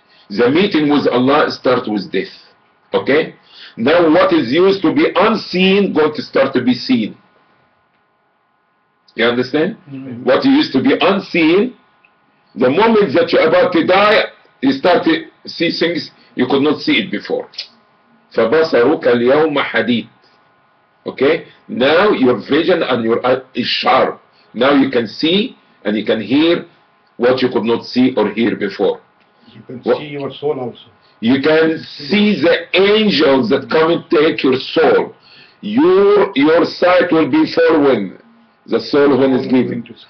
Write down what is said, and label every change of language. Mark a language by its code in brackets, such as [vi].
[en] The meeting with Allah starts with death. Okay? Now what is used to be unseen going to start to be seen. You understand? Mm-hmm. What you used to be unseen, the moment that you're about to die, you start to see things you could not see it before. [ar] فَبَصَرُكَ الْيَوْمَ حَدِيدٌ [en] Okay? Now your vision and your eye is sharp. Now you can see and you can hear what you could not see or hear before. You can see your soul also. You can see the angels that come and take your soul. Your sight will be following. The soul when is giving.